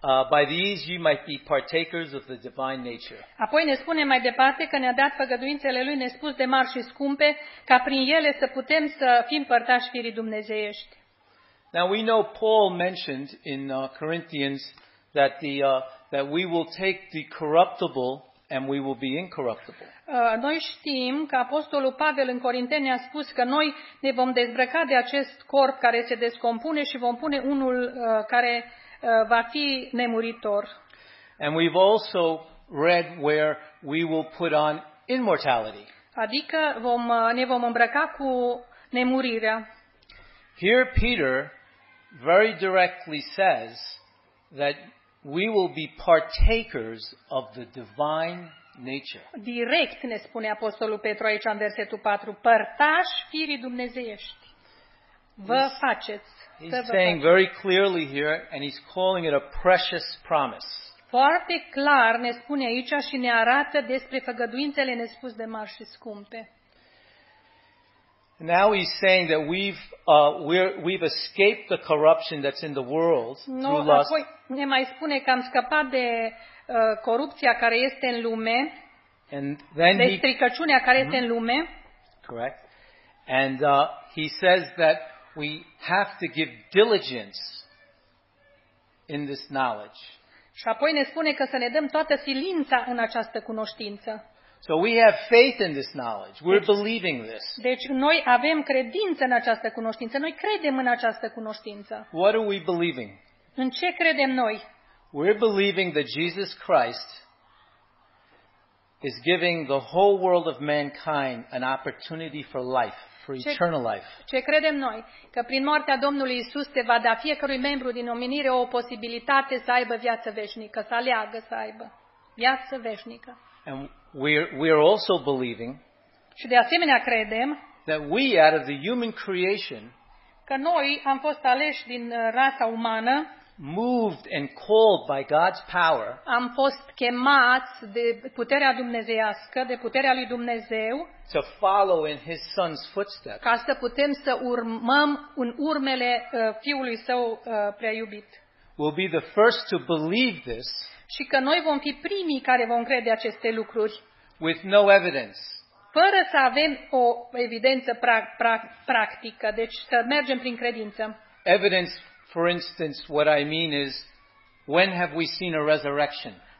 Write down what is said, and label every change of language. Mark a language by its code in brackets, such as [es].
[en] By these you might be partakers of the divine nature. [ro] Apoi ne spune mai departe că ne-a dat făgăduințele lui nespus de mari și scumpe, ca prin ele să putem să fim părtași firii dumnezeiești. [en] Now we know Paul mentioned in Corinthians that that we will take the corruptible and we will be incorruptible. [ro] Noi știm că apostolul Pavel în Corinteni a spus că noi ne vom dezbrăca de acest corp care se descompune și vom pune unul care va fi nemuritor. [en] And we've also read where we will put on immortality. [ro] Adică ne vom îmbrăca cu nemurirea. [en] Here Peter very directly says that we will be partakers of the divine nature. [ro] Direct ne spune apostolul Petru aici în versetul 4, părtași firii dumnezeiești. Vă faceți. [en] He's saying very clearly here and he's calling it a precious promise. [ro] Foarte clar ne spune aici și ne arată despre făgăduințele nespus de mari și scumpe. [en] Now he's saying that we've escaped the corruption that's in the world through lust. [ro] Ne mai spune că am scăpat de corupția care este în lume. [en] And then [ro] de stricăciunea care este în lume. [en] Correct. And he says that we have to give diligence in this knowledge. [ro] Și apoi ne spune că să ne dăm toată silința în această cunoștință. [en] So we have faith in this knowledge. We're believing this. [ro] Deci noi avem credință în această cunoștință. Noi credem în această cunoștință. [en] What are we believing? [ro] În ce credem noi? [en] We're believing that Jesus Christ is giving the whole world of mankind an opportunity for life, for eternal life. [ro] Ce credem noi? Că prin moartea Domnului Isus se va da fiecărui membru din omenire o posibilitate să aibă viață veșnică, să aleagă să aibă viață veșnică. [en] And we are also believing. [ro] Și de asemenea credem [en] that we out of the human creation, [ro] că noi am fost aleși din rasa umană, [en] moved and called by God's power, [ro] am fost chemați de puterea dumnezeiască, de puterea lui Dumnezeu, [en] to follow in his son's footsteps, [ro] ca să putem să urmăm în urmele fiului său prea iubit. [en] We'll be the first to believe this, [ro] și că noi vom fi primii care vom crede aceste lucruri, [en] with no evidence, [ro] fără să avem o evidență practică, deci să mergem prin credință. [en] Evidence, for instance, what I mean is, when have we seen a resurrection?